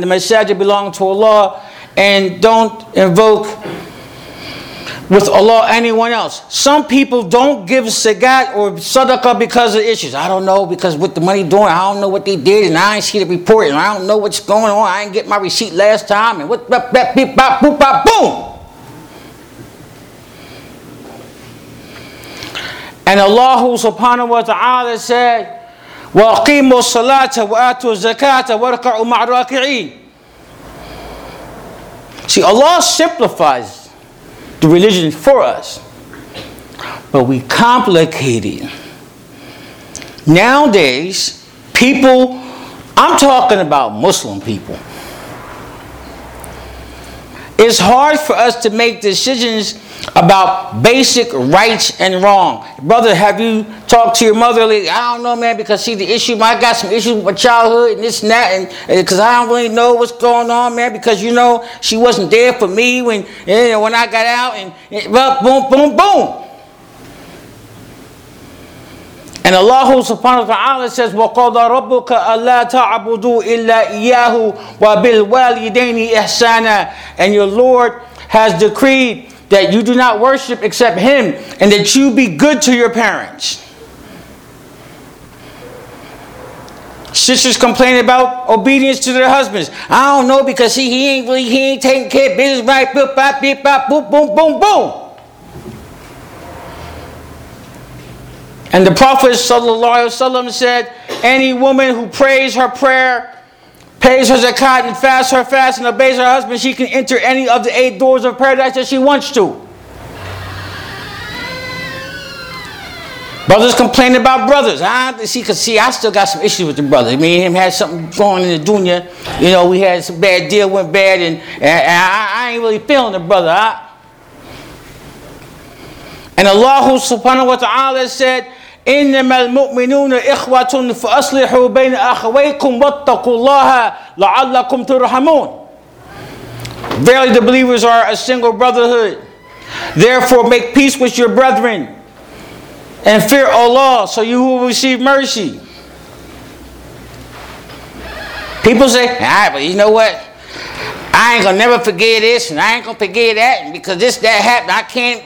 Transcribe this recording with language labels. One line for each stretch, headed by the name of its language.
English: The masajid belong to Allah, and don't invoke with Allah anyone else. Some people don't give zakat or sadaqah because of issues. I don't know because what the money doing. I don't know what they did, and I ain't see the report, and I don't know what's going on. I ain't get my receipt last time, and what, beep, beep, bop, boop, bop, boom. And Allah subhanahu wa ta'ala said,
Arabic: وَأَقِيمُوا الصَّلَاةَ وَآتُوا الزَّكَاةَ وَارْكَعُوا مَعَ الرَّاكِعِينَ.
English: See, Allah simplifies the religion for us, but we complicate it. Nowadays, people, I'm talking about Muslim people, it's hard for us to make decisions about basic rights and wrong. Brother, have you talked to your mother lately? I don't know, man, because see the issue, I got some issues with my childhood and this and that, and because I don't really know what's going on, man, because you know, she wasn't there for me when I got out, and well, boom, boom, boom. And Allah subhanahu wa ta'ala says,
Arabic: وَقَضَ رَبُّكَ أَلَّا تَعْبُدُوا إِلَّا إِيَّاهُ وَبِالْوَالِدَيْنِ إِحْسَانًا.
English: And your Lord has decreed that you do not worship except Him, and that you be good to your parents. Sisters complain about obedience to their husbands. I don't know because he ain't taking care of business right. Boop, bop, beep, bop, boop, boom, boom, boom. And the Prophet ﷺ said, any woman who prays her prayer, pays her zakat, and fasts her fast, and obeys her husband, she can enter any of the 8 doors of paradise that she wants to. Brothers complain about brothers. I still got some issues with the brother. Me and him had something going in the dunya. You know, we had some bad deal, went bad, and I ain't really feeling the brother. And Allah subhanahu wa ta'ala said,
Arabic: إِنَّمَا الْمُؤْمِنُونَ إِخْوَةٌ فَأَصْلِحُوا بَيْنَ أَخَوَيْكُمْ وَاتَّقُوا اللَّهَ لَعَلَّكُمْ تُرْحَمُونَ.
English: Verily the believers are a single brotherhood. Therefore make peace with your brethren and fear Allah so you will receive mercy. People say, all right, but you know what? I ain't gonna never forget this, and I ain't gonna forget that, and because this that happened, I can't.